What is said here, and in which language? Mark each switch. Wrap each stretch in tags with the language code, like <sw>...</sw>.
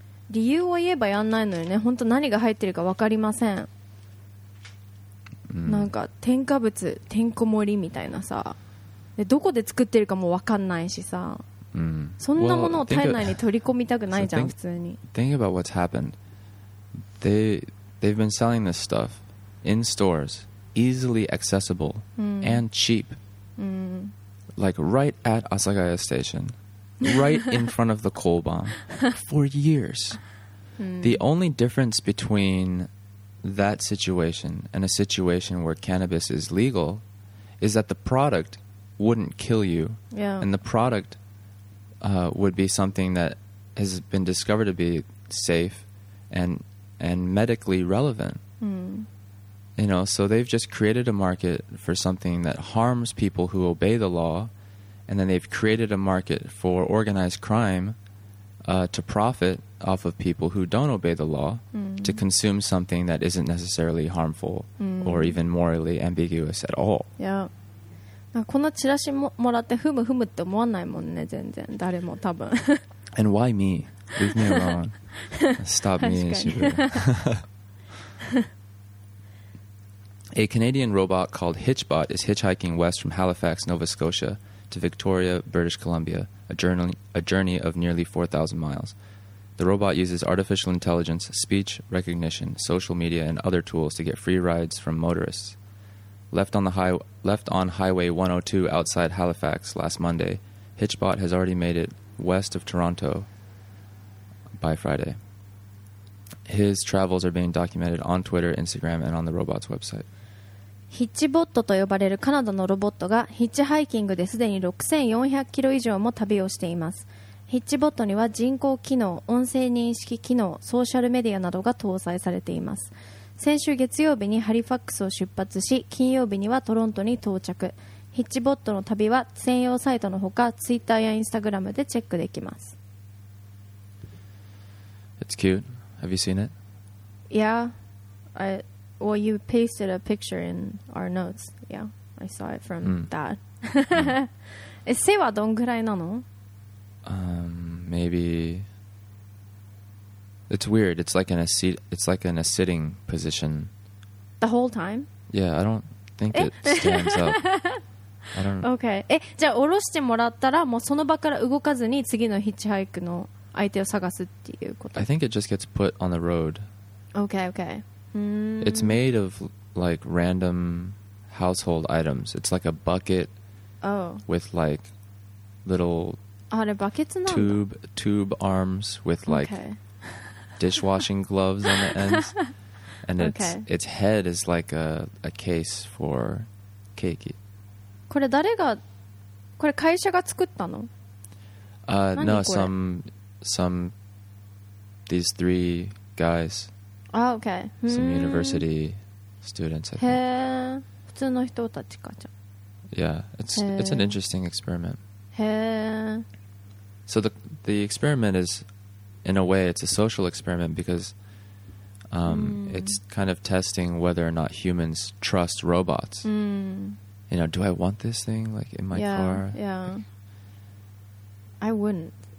<ja>理由を言えばやんないのよね。本当何が入ってるか分かりません。なんか添加物てんこ盛りみたいなさ、でどこで作ってるかも分かんないしさ、そんなものを体内に取り込みたくないじゃん普通に。</ja> <en>think about what's happened. They've been selling this stuff in stores, easily accessible and cheapLike right at Asagaya Station, right in front of the Kolban, for years. The only difference between that situation and a situation where cannabis is legal is that the product wouldn't kill you, and the product would be something that has been discovered to be safe and medically relevant. You know, so they've just created a market for something that harms people who obey the law, and then they've created a market for organized crime to profit off of people who don't obey the law to consume something that isn't necessarily harmful or even morally ambiguous at all. Yeah.</en> <ja>このチラシもらってふむふむって思わないもんね、全然。誰も多分。</ja> <en>And why me? Leave me alone. Stop me and Shibu. A Canadian robot called Hitchbot is hitchhiking west from Halifax, Nova Scotia, to Victoria, British Columbia, a journey of nearly 4,000 miles. The robot uses artificial intelligence, speech recognition, social media, and other tools to get free rides from motorists. Left on Highway 102 outside Halifax last Monday, Hitchbot has already made it west of Toronto by Friday. His travels are being documented on Twitter, Instagram, and on the robot's website.</en> <ja>ヒッチボットと呼ばれるカナダのロボットがヒッチハイキングですでに6400キロ以上も旅をしています。ヒッチボットには人工機能、音声認識機能、ソーシャルメディアなどが搭載されています。先週月曜日にハリファックスを出発し、金曜日にはトロントに到着。ヒッチボットの旅は専用サイトのほか、ツイッターやインスタグラムでチェックできます。</ja> <en>It's cute. Have you seen it? Yeah, I... Well, you pasted a picture in our notes. Yeah, I saw it from that.</en> <ja>Sei wa don gurai nano?</ja> <en>Maybe. It's weird. It's like in a seat. It's like in a sitting position. The whole time? Yeah, I don't think it stands up. I don't. Okay.</en> <ja>じゃあ下ろしてもらったらもうその場から動かずに次のヒッチハイクの相手を探すっていうこと。</ja> <en>I think it just gets put on the road. Okay. Okay. It's made of like random household items. It's like a bucket with like little tube arms with like dishwashing gloves on the ends. And its head is like a case for cake.</en> <ja>これ誰が、これ会社が作ったの？</ja> <en>No, some these three guys. Oh, okay. Some university students.</en> <ja>へえ、普通の人たちかじゃん。</ja> <en>Yeah, it's an interesting experiment.</en> <ja>へえ。</ja> <en>So the experiment is, in a way, it's a social experiment because, it's kind of testing whether or not humans trust robots. You know, do I want this thing like in my car? Yeah. I wouldn't.</en>